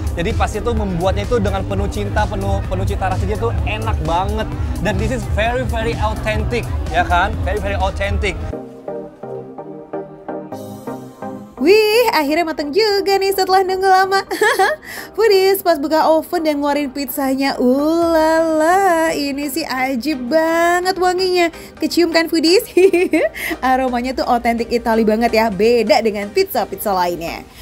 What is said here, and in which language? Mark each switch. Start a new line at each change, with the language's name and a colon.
Indonesian: Jadi pasti tuh membuatnya itu dengan penuh cinta, penuh cita rasa dia tuh enak banget.
English: Dan this is very very authentic,
Indonesian: ya kan?
English: Very very authentic.
Indonesian: Wih, akhirnya mateng juga nih setelah nunggu lama. Foodies, pas buka oven dan ngeluarin pizzanya, ulala, ini sih ajib banget wanginya. Kecium kan, Foodies? Aromanya tuh otentik Itali banget ya, beda dengan pizza-pizza lainnya.